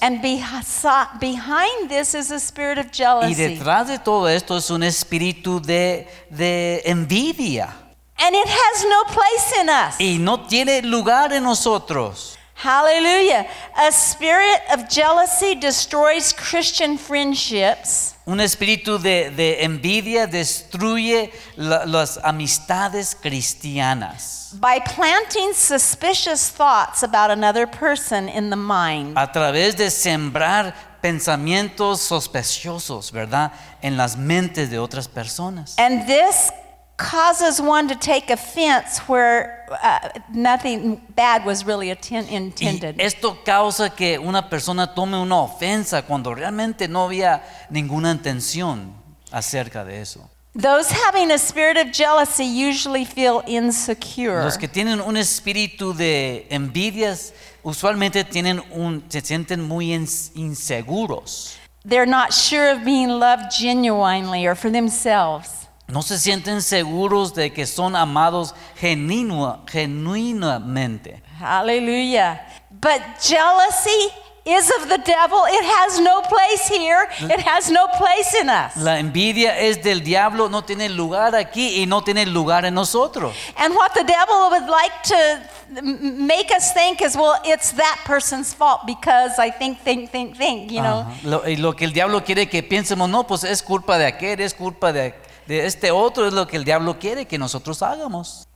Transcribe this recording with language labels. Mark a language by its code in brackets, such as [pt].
[en] And behind this is a spirit of jealousy. [es] Y detrás de todo esto es un espíritu de envidia. [en] And it has no place in us. [es] Y no tiene lugar en nosotros. [en] Hallelujah. A spirit of jealousy destroys Christian friendships. [es] Un espíritu de envidia destruye las amistades cristianas. [en] By planting suspicious thoughts about another person in the mind. [es] A través de sembrar pensamientos sospechosos, ¿verdad?, en las mentes de otras personas. [en] And this causes one to take offense where nothing bad was really intended. [es] Y esto causa que una persona tome una ofensa cuando realmente no había ninguna intención acerca de eso. [en] Those having a spirit of jealousy usually feel insecure. [es] Los que tienen un espíritu de envidias usualmente se sienten muy inseguros. [en] They're not sure of being loved genuinely or for themselves. [es] No se sienten seguros de que son amados genuinamente. [en] Hallelujah. But jealousy is of the devil. It has no place here. It has no place in us. [es] La envidia es del diablo, no tiene lugar aquí y no tiene lugar en nosotros. [en] And what the devil would like to make us think is, well, it's that person's fault because I think, you know. [es] Lo que el diablo quiere que pensemos, no, pues es culpa de aquel, es culpa de este otro, es lo que el diablo quiere que nosotros hagamos.